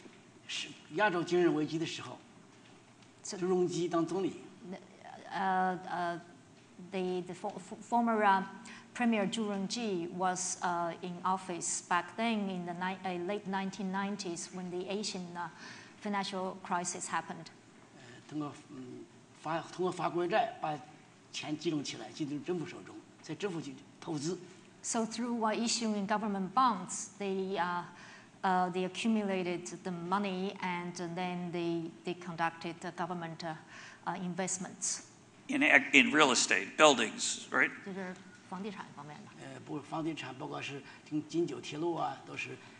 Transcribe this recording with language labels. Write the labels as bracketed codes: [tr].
[zh] 2000年初啊，那时候不是政府有很多这种刺激经济的做法嘛，就修了很多东西嘛，修了很多基建，就是引用那个凯恩斯主义，请你谈谈。那时候九十年代后期，是亚洲金融危机的时候，朱镕基当总理。 [en] the former Premier Zhu Rongji was in office back then in the late 1990s when the Asian financial crisis happened. [zh] 通过法国债把钱集中起来，进入政府手中，在政府去投资。 [en] So through issuing government bonds, they accumulated the money and then they conducted the government investments. In real estate, buildings, right? [zh] 就是房地产方面的。不，房地产包括是京九铁路啊，都是。